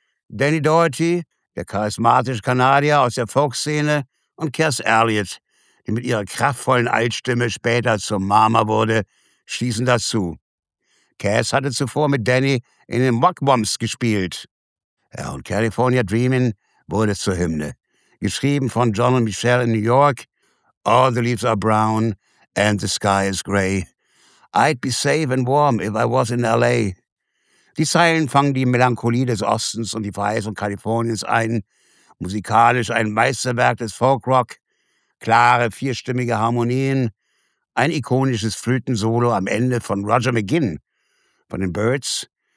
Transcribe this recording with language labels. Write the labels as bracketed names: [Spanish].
[German] Danny Doherty, der charismatische Kanadier aus der Folkszene, und Cass Elliot, die mit ihrer kraftvollen Altstimme später zur Mama wurde, stießen dazu. Cass hatte zuvor mit Danny in den Wagwams gespielt. Ja, und California Dreamin' wurde zur Hymne. Geschrieben von John und Michelle in New York. [English] All the leaves are brown and the sky is gray. I'd be safe and warm if I was in L.A. [German] Die Zeilen fangen die Melancholie des Ostens und die Verheißung Kaliforniens ein. Musikalisch ein Meisterwerk des Folkrock. Klare, vierstimmige Harmonien. Ein ikonisches Flötensolo am Ende von Roger McGinn von den Byrds.